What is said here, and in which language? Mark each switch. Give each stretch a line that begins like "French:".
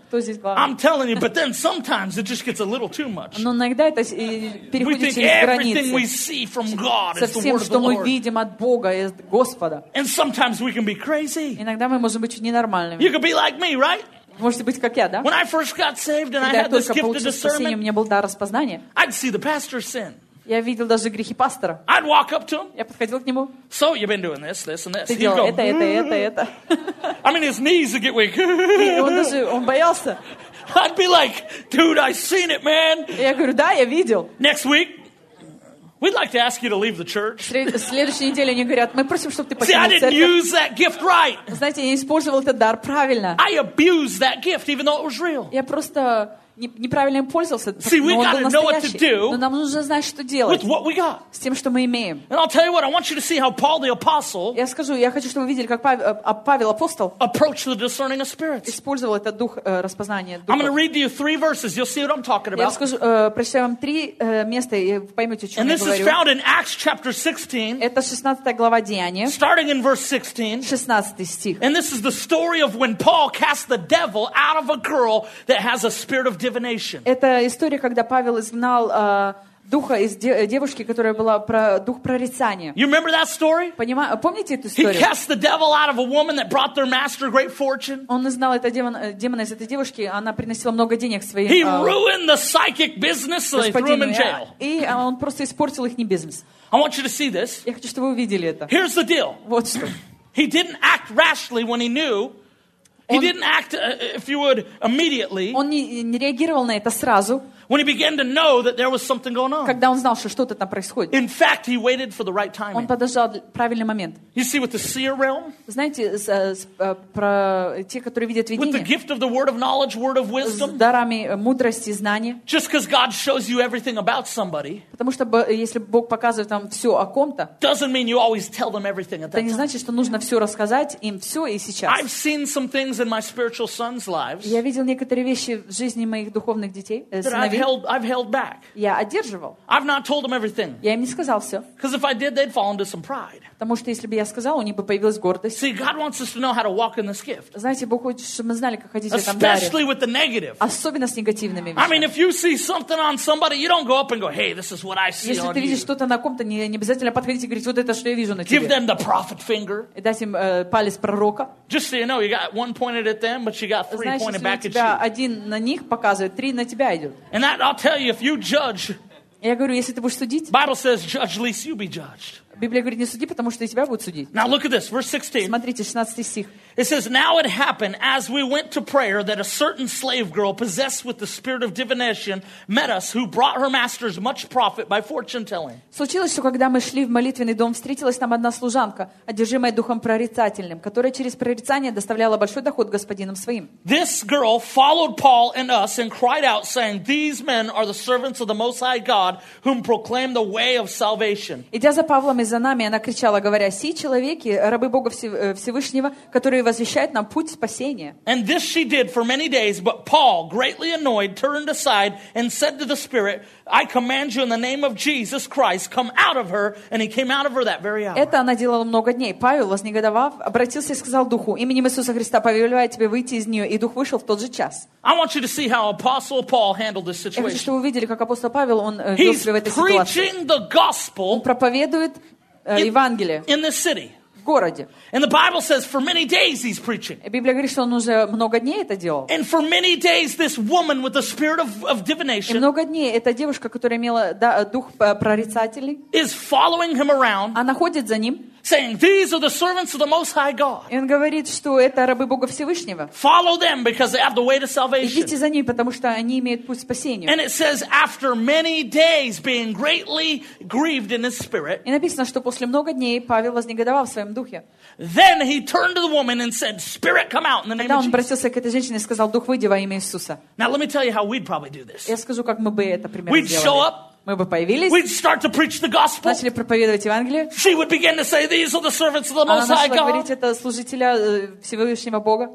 English: I'm telling you, but then sometimes it just gets a little too much.
Russian: Но иногда это переходит через границы.
English: Everything we see from God is the word of the Lord.
Russian: Со всем, что мы видим от Бога, от Господа.
English: And sometimes we can be crazy.
Russian: Иногда мы можем быть ненормальными.
English: You could be like me, right?
Russian: Можете быть как я, да?
English: When I first got saved and I had this gift of discernment,
Russian: у меня был дар распознания.
English: I'd see the pastor sin.
Russian: Я видел даже грехи пастора.
English: I'd walk up to him.
Russian: Я подходил к нему.
English: So you've been doing this, this, and this.
Russian: Ты делал это.
English: I mean, his knees would get weak.
Russian: Он боялся.
English: I'd be like, dude, I seen it, man.
Russian: Я говорю, да, я видел.
English: Next week, we'd like to ask you to leave the church.
Russian: Следующей неделе они говорят, мы просим, чтобы ты покинул церковь.
English: See, I didn't use that gift right.
Russian: Знаете, я не использовал этот дар правильно.
English: I abused that gift, even though it was real.
Russian: Я просто неправильно им пользовался.
English: See, we gotta know what to do.
Russian: Но нам нужно знать, что делать.
English: With what we got.
Russian: С тем, что мы имеем.
English: And I'll tell you what, I want you to see how Paul the apostle.
Russian: Я скажу, я хочу, чтобы вы видели, как Павел апостол.
English: Approached the discerning of spirits.
Russian: Использовал этот дух распознания.
English: I'm gonna read to you three verses. You'll see what I'm talking about.
Russian: Я скажу, прочитаю вам три места и поймете, о чем я говорю.
English: And this is found in Acts chapter 16.
Russian: Это 16 глава Деяния.
English: Starting in verse 16.
Russian: 16 стих.
English: And this is the story of when Paul cast the devil out of a girl that has a spirit of
Russian: Это история, когда Павел изгнал духа из девушки, которая была дух прорицания.
English: You remember that story?
Russian: Помните эту историю?
English: He cast the devil out of a woman that brought their master great fortune.
Russian: Он изгнал этого демона из этой девушки, она приносила много денег своим.
English: He ruined the psychic business, so they threw him in jail.
Russian: И он просто испортил их бизнес.
English: I want you to see this.
Russian: Я хочу, чтобы вы увидели это.
English: Here's the deal.
Russian: Вот что.
English: He didn't act rashly when he knew. He didn't act, if you would, immediately.
Russian: Он не реагировал на это сразу.
English: When he began to know that there was something going on.
Russian: Когда он знал, что что-то там происходит.
English: In fact, he waited for the right timing.
Russian: Он подождал правильный момент.
English: You see, with the seer realm.
Russian: Знаете, про те, которые видят видение.
English: With the gift of the word of knowledge, word of wisdom.
Russian: С дарами мудрости, знания.
English: Just because God shows you everything about somebody.
Russian: Потому что если Бог показывает вам все о ком-то.
English: Doesn't mean you always tell them everything at that time.
Russian: Это не значит, что нужно все рассказать им все и сейчас.
English: I've seen some things in my spiritual sons' lives.
Russian: Я видел некоторые вещи в жизни моих духовных детей.
English: I've held back.
Russian: Я одерживал.
English: I've not told them everything.
Russian: Я им не сказал все.
English: Because if I did, they'd fall into some pride.
Russian: Потому что если бы я сказал, у них бы появилась гордость.
English: See, God wants us to know how to walk in this gift.
Russian: Знаете, Бог хочет, чтобы мы знали, как ходить в этом даре.
English: Especially with the negative.
Russian: Особенно с негативными вещами.
English: I mean, if you see something on somebody, you don't go up and go, "Hey, this is what I see on you."
Russian: Если ты видишь что-то на ком-то, не обязательно подходить и говорить, вот это что я вижу на тебе.
English: Give them the prophet finger.
Russian: И дать им палец пророка.
English: Just so you know, you got one pointed at them, but you got three
Russian: Знаешь,
English: pointed back at you.
Russian: Знаешь, если один на них показывает, три на тебя идет.
English: And that, I'll tell you, if you judge.
Russian: Я говорю, если ты будешь судить.
English: Bible says, "Judge, lest you be judged."
Russian: Библия говорит, не суди, потому что и тебя будут судить.
English: Now look at this, verse 16.
Russian: Смотрите, 16 стих.
English: It says, "Now it happened, as we went to prayer, that a certain slave girl, possessed with the spirit of divination, met us, who brought her masters much profit by fortune telling."
Russian: Случилось, что когда мы шли в молитвенный дом, встретилась там одна служанка, одержимая духом прорицательным, которая через прорицание доставляла большой доход господинам своим.
English: This girl followed Paul and us and cried out, saying, "These men are the servants of the Most High God, whom proclaim the way of salvation."
Russian: Идя за Павлом и за нами, она кричала, говоря: "Сии человеки, рабы Бога Всевышнего, которые возвещает нам путь спасения."
English: And this she did for many days, but Paul, greatly annoyed, turned aside and said to the Spirit, "I command you in the name of Jesus Christ, come out of her," and he came out of her that very hour.
Russian: Это она делала много дней. Павел, вознегодовав, обратился и сказал духу: "Именем Иисуса Христа повелеваю тебе выйти из нее." И дух вышел в тот же час.
English: I want you to see how Apostle Paul handled this situation.
Russian: Я хочу, чтобы вы видели, как апостол Павел он вел себя в этой ситуации.
English: He's preaching the gospel.
Russian: Он проповедует Евангелие.
English: In this city.
Russian: В городе.
English: And the Bible says for many days he's preaching.
Russian: Библия говорит, что он уже много дней это делал.
English: And for many days this woman with the spirit of divination.
Russian: И много дней эта девушка, которая имела дух прорицательный.
English: Is following him around.
Russian: Она ходит за ним.
English: Saying these are the servants of the Most High God.
Russian: И он говорит, что это рабы Бога Всевышнего.
English: Follow them because they have the way to salvation.
Russian: Идите за ними, потому что они имеют путь к спасению.
English: And it says after many days being greatly grieved in his spirit.
Russian: И написано, что после много дней Павел вознегодовал в своем духе.
English: Then he turned to the woman and said, "Spirit, come out in the name of Jesus."
Russian: Он обратился к этой женщине и сказал: "Дух, выйди во имя Иисуса."
English: Now let me tell you how we'd probably do this.
Russian: Я скажу, как мы бы это примерно
English: we'd
Russian: сделали.
English: Show up.
Russian: Мы бы появились.
English: We'd start to preach the gospel.
Russian: Начали проповедовать Евангелие.
English: She would begin to say, "These are the servants of the Most High God."
Russian: Она говорит, это служители Всевышнего Бога.